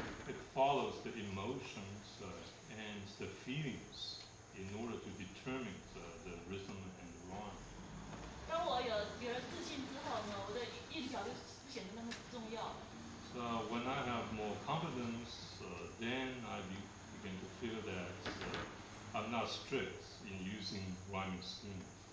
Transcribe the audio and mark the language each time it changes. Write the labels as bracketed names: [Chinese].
[English] It follows the emotions and the feelings in order to determine the rhythm and the rhyme. [Chinese] 当我有了自信之后呢，我的韵脚就不显得那么重要了。 [English] When I have more confidence, then I begin to feel that I'm not strict in using rhyming schemes.